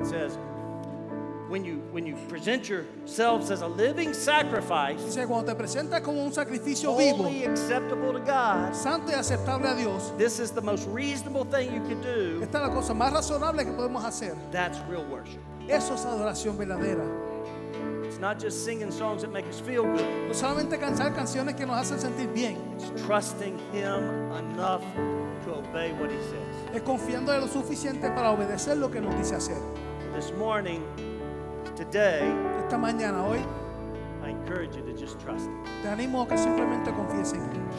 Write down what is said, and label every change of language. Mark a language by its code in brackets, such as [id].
[en] It says, when you present yourselves as a living sacrifice, [es] dice, cuando te presentas como un sacrificio vivo, [en] holy, acceptable to God, [es] santo y aceptable a Dios, [en] this is the most reasonable thing you can do. [es] Esta es la cosa más razonable que podemos hacer. [en] That's real worship. [es] Eso es adoración verdadera. [en] Not just singing songs that make us feel good. [es] No solamente cantar canciones que nos hacen sentir bien. [en] It's trusting him enough to obey what he says. [es] Es confiando en lo suficiente para obedecer lo que nos dice hacer. [en] This morning, today, [es] esta mañana, hoy, [en] I encourage you to just trust him. [es] Te animo a que simplemente confíes en él.